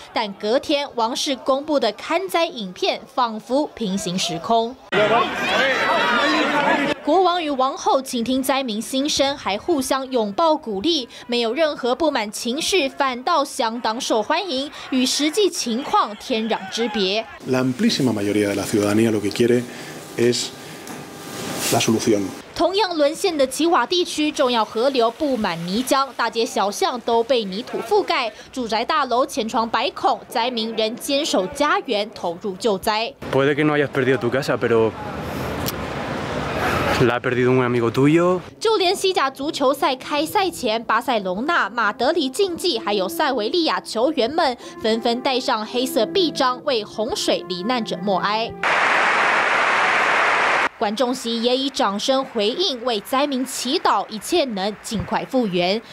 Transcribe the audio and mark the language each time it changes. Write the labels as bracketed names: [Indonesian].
[Chinese] 但隔天王室公布的看灾影片，仿佛平行时空。国王与王后倾听灾民心声，还互相拥抱鼓励，没有任何不满情绪，反倒相当受欢迎，与实际情况天壤之别。 [Spanish] La amplísima mayoría de la ciudadanía lo que quiere es la solución。 [Chinese] 同样沦陷的奇瓦地区，重要河流布满泥浆，大街小巷都被泥土覆盖，住宅大楼前窗百孔，灾民仍坚守家园，投入救灾。 [Spanish] Puede que no hayas perdido tu casa, pero La ha perdido un amigo tuyo. [Chinese] 就连西甲足球赛开赛前，巴塞隆纳、马德里竞技还有塞维利亚球员们纷纷戴上黑色臂章，为洪水罹难者默哀。观众席也以掌声回应，为灾民祈祷一切能尽快复原。